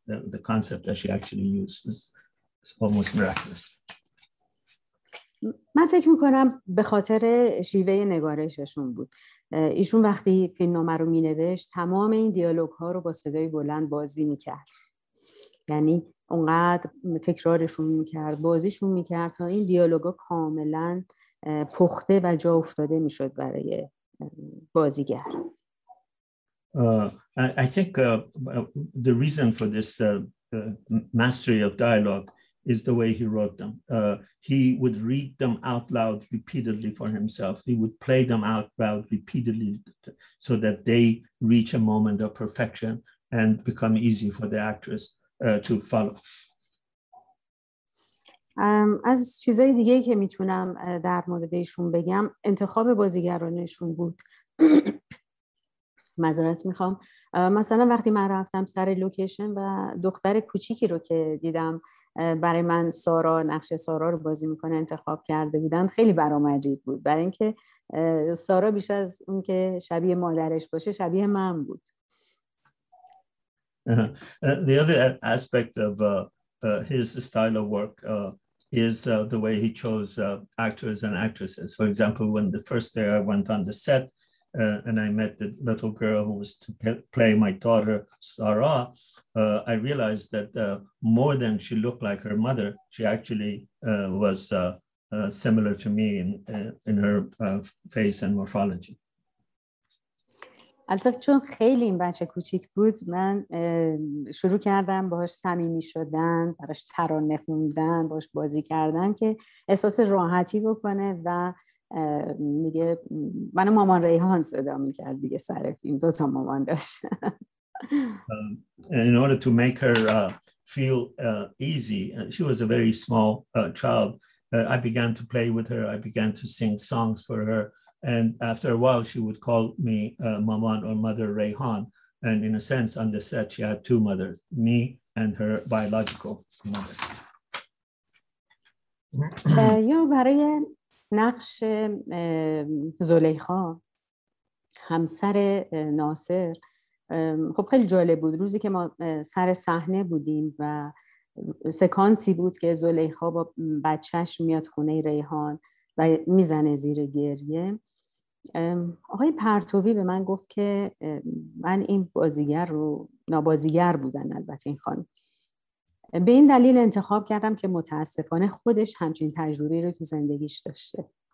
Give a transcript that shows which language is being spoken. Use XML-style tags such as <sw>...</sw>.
<en>The concept that she actually used is almost miraculous.</en> <fa>من فکر میکنم به خاطر شیوه نگارششون بود. ایشون وقتی فیلمنامه رو مینوشت تمام این دیالوگ ها رو با صدای بلند بازی میکرد، یعنی اونقدر تکرارشون میکرد، بازیشون میکرد تا این دیالوگ ها کاملا پخته و جا افتاده میشد برای بازیگر.</fa> <en>I think the reason for this mastery of dialogue is the way he wrote them. He would read them out loud repeatedly for himself. He would play them out loud repeatedly so that they reach a moment of perfection and become easy for the actress to follow.</en> <fa>از چیزای دیگه‌ای که میتونم در موردشون بگم، انتخاب بازیگرانشون بود. معذرت میخوام، مثلا وقتی من رفتم سر لوکیشن و دختر کوچیکی رو که دیدم برای من سارا، نقش سارا رو بازی میکنه، انتخاب کرده بودن، خیلی برام عجیب بود، برای اینکه سارا بیش از اون که شبیه مادرش باشه شبیه من بود.</fa> <en>The other aspect of his style of work is the way he chose actors and actresses. For example, when the first day I went on the set and I met the little girl who was to play my daughter, Sara, I realized that more than she looked like her mother, she actually was similar to me in her face and morphology.</en> <fa>البته چون خیلی این بچه کوچیک بود، من شروع کردم باهاش صمیمی شدن، براش ترانه خوندن، باهاش بازی کردن که احساس راحتی بکنه و میگه من مامان ریحان صدا میکرد دیگه سر فیلم، دو تا مامان داشت.</fa> <en>In order to make her feel easy, she was a very small child. I began to play with her, I began to sing songs for her. And after a while, she would call me Maman or Mother Reyhan. And in a sense, on the set, she had two mothers, me and her biological mother.</en> <fa>Yo, برای نقش زلیخا، همسر ناصر، خب خیلی جالب بود. روزی که ما سر صحنه بودیم و سکانسی بود که زلیخا با بچهش میاد خونه ریحان و میزنه زیر گریه، آقای پرتوی به من گفت که من این بازیگر رو، نابازیگر بودن البته این خانم، به این دلیل انتخاب کردم که متاسفانه خودش همچین تجربه رو تو زندگیش داشته.</fa>